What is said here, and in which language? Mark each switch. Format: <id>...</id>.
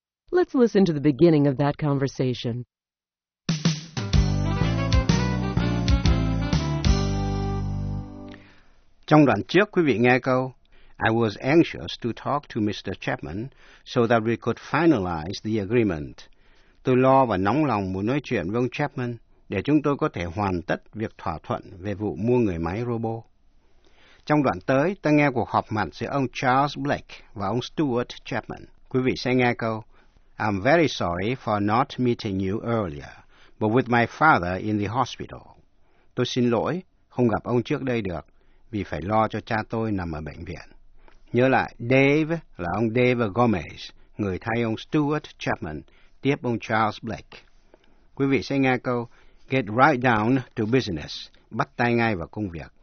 <en>Let's listen to the beginning of that conversation.</en> <vi>Trong đoạn trước, quý vị nghe câu</vi> <en>I was anxious to talk to Mr. Chapman so that we could finalize the agreement.</en> <vi>Tôi lo và nóng lòng muốn nói chuyện với ông Chapman để chúng tôi có thể hoàn tất việc thỏa thuận về vụ mua người máy robo. Trong đoạn tới, ta nghe cuộc họp mặt giữa ông Charles Blake và ông Stuart Chapman. Quý vị sẽ nghe câu</vi> <en>I'm very sorry for not meeting you earlier, but with my father in the hospital.</en> <vi>Tôi xin lỗi, không gặp ông trước đây được vì phải lo cho cha tôi nằm ở bệnh viện. Nhớ lại, Dave là ông Dave Gomez, người thay ông Stuart Chapman, tiếp ông Charles Blake. Quý vị sẽ nghe câu,</vi> <en>get right down to business,</en> <vi>bắt tay ngay vào công việc.</vi>